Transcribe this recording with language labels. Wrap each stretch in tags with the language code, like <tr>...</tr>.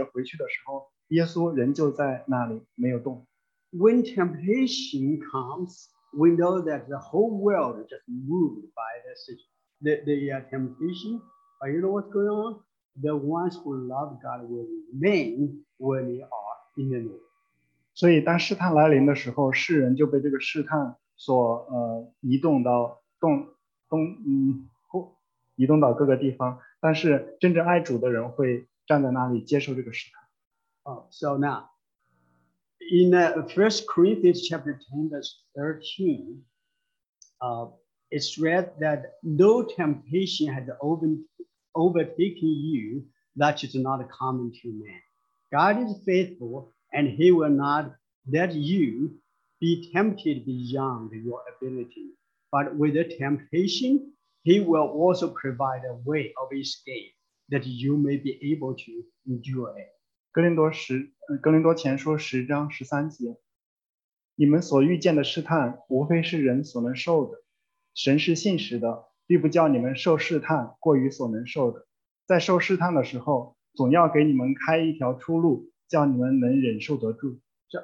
<zh>所以当其他人都过完节回去的时候，耶稣仍旧在那里没有动。</zh> <en>When temptation comes, we know that the whole world is just moved by the temptation. But you know what's going on? The ones who love God will remain where they are in the Lord.</en> <zh>所以当试探来临的时候，世人就被这个试探所移动到各个地方。但是真正爱主的人会站在那里接受这个试探。</zh> <en>So now, in 1 Corinthians chapter 10, verse 13, it's read that no temptation has overtaken you that is not common to man. God is faithful, and He will not let you be tempted beyond your ability. But with the temptation, He will also provide a way of escape that you may be able to endure it.</en> <zh>哥林多前书10章13节，你们所遇见的试探，无非是人所能受的。神是信实的，必不叫你们受试探过于所能受的。在受试探的时候，总要给你们开一条出路，叫你们能忍受得住。</zh> <en>So</en>